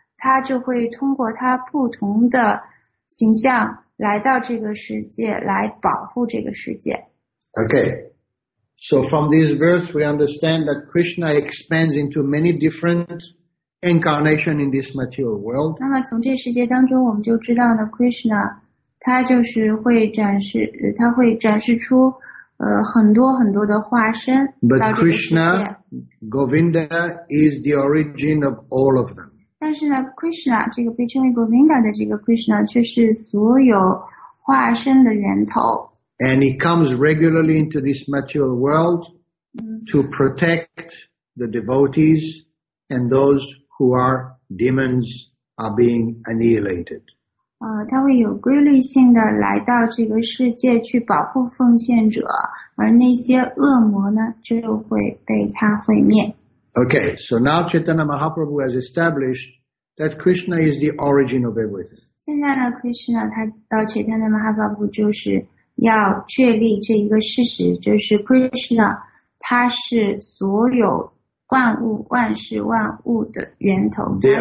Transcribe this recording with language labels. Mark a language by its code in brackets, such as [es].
[zh] 他就会通过他不同的形象来到这个世界，来保护这个世界。 [en] Okay, so from this verse we understand that Krishna expands into many different incarnation in this material world. [zh] 那么从这世界当中我们就知道呢 ,Krishna, 他就是会展示他会展示出很多很多的化身到这个世界。 [en] But Krishna, Govinda is the origin of all of them. [zh] 但是呢 ,Krishna, 这个被称为 Govinda 的这个 Krishna, 却是所有化身的源头。 [en] And he comes regularly into this material world to protect the devotees and those who are demons are being annihilated. [zh] 他会有规律性的来到这个世界去保护奉献者，而那些恶魔呢，就会被他毁灭。 [en] Okay, so now Chaitanya Mahaprabhu has established that Krishna is the origin of everything. [zh] 现在呢 ，Krishna 他到 Chaitanya Mahaprabhu 就是要确立这一个事实，就是 Krishna 他是所有。万物万事万物的源头